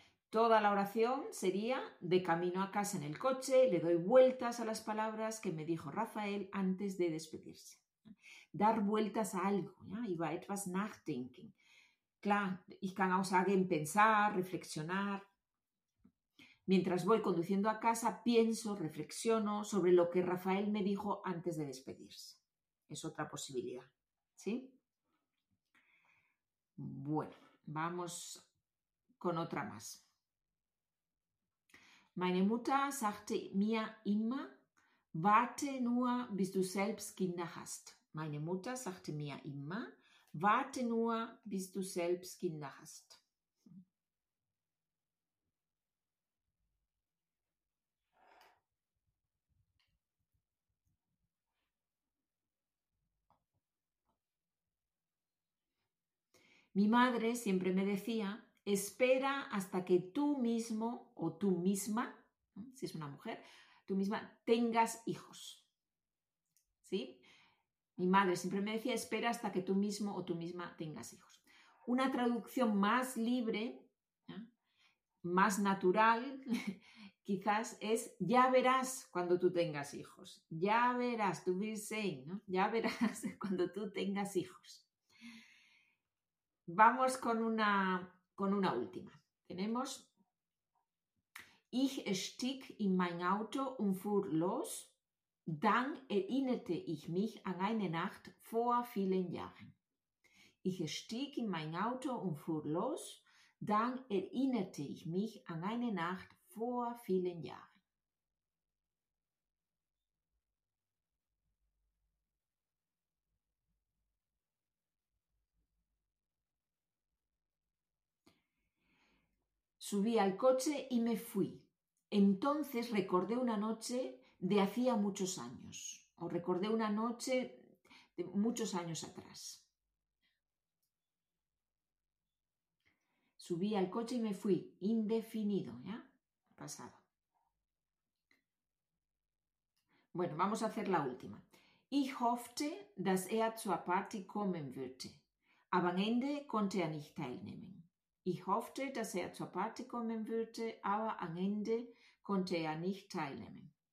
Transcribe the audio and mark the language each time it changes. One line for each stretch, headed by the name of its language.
Spanish: Toda la oración sería, de camino a casa en el coche, le doy vueltas a las palabras que me dijo Rafael antes de despedirse. Dar vueltas a algo, ¿ya?
German: Über etwas nachdenken. Klar, ich kann auch sagen,
Spanish: pensar, reflexionar. Mientras voy conduciendo a casa, pienso, reflexiono sobre lo que Rafael me dijo antes de despedirse. Es otra posibilidad, ¿sí? Bueno, vamos con otra más.
German: Meine Mutter sagte mir immer, warte nur, bis du selbst Kinder hast. Meine Mutter sagte mir immer, warte nur, bis du selbst Kinder hast.
Spanish: Mi madre siempre me decía, espera hasta que tú mismo o tú misma, si es una mujer, tú misma tengas hijos. ¿Sí? Mi madre siempre me decía, espera hasta que tú mismo o tú misma tengas hijos. Una traducción más libre, ¿ya? Más natural, quizás, es ya verás cuando tú tengas hijos. Ya verás, tú
German: will sehen,
Spanish: ¿no? Ya verás cuando tú tengas hijos. Vamos con una última.
German: Tenemos, ich stieg in mein Auto und fuhr los, dann erinnerte ich mich an eine Nacht vor vielen Jahren. Ich stieg in mein Auto und fuhr los, dann erinnerte ich mich an eine Nacht vor vielen Jahren.
Spanish: Subí al coche y me fui. Entonces recordé una noche de hacía muchos años. O recordé una noche de muchos años atrás. Subí al coche y me fui. Indefinido, ¿ya? Pasado. Bueno, vamos a hacer la última.
German: Ich hoffte, dass zur Party kommen würde. Am Ende konnte nicht teilnehmen. Ich hoffte, dass zur Party kommen würde, aber am Ende konnte nicht teilnehmen.